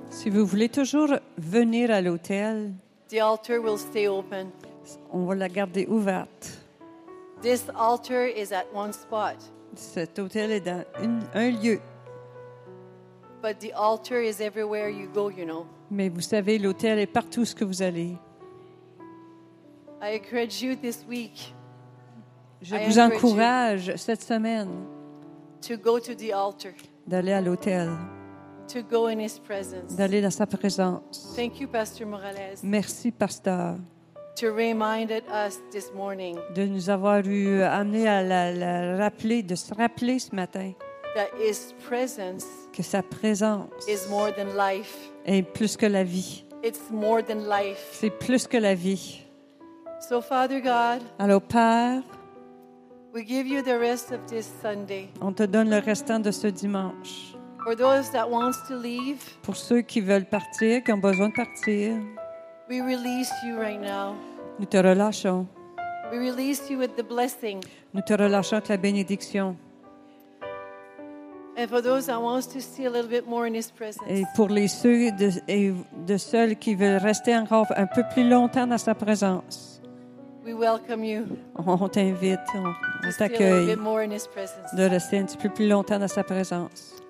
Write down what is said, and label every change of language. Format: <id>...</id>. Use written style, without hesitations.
<fr>si vous voulez toujours venir à l'autel,</fr> <en>the altar will stay open.</en> <fr>On va la garder ouverte.</fr> <en>This altar is at one spot.</en> <fr>Cet autel est dans un lieu.</fr> <en>But the altar is everywhere you go, you know.</en> <fr>Mais vous savez, l'autel est partout où vous allez.</fr> <en>I encourage you this week.</en> <fr>Je vous encourage cette semaine</fr> <en>to go to the altar.</en> <fr>D'aller à l'autel.</fr> <en>To go in his presence.</en> <fr>D'aller dans sa présence.</fr> <en>Thank you, Pastor Morales.</en> <fr>Merci, Pasteur.</fr> <en>To remind us this morning.</en> <fr>De nous avoir amené à se rappeler ce matin.</fr> <en>That his presence,</en> <fr>que sa présence,</fr> <en>is more than life.</en> <fr>Est plus que la vie.</fr> <en>It's more than life.</en> <fr>C'est plus que la vie.</fr> <en>So Father God,</en> <fr>alors Père,</fr> <en>we give you the rest of this Sunday.</en> <fr>On te donne le restant de ce dimanche.</fr> <en>For those that wants to leave,</en> <fr>pour ceux qui veulent partir, qui ont besoin de partir,</fr> <en>we release you right now.</en> <fr>Nous te relâchons.</fr> <en>We release you with the blessing.</en> <fr>Nous te relâchons avec la bénédiction.</fr> <en>And for those that wants to see a little bit more in his presence.</en> <fr>Et pour les ceux de seuls qui veulent rester encore un peu plus longtemps dans sa présence.</fr> <en>We welcome you.</en> <fr>On t'invite, on t'accueille.</fr> <en>See a little bit more in his presence.</en> <fr>De rester un petit peu plus longtemps dans sa présence.</fr>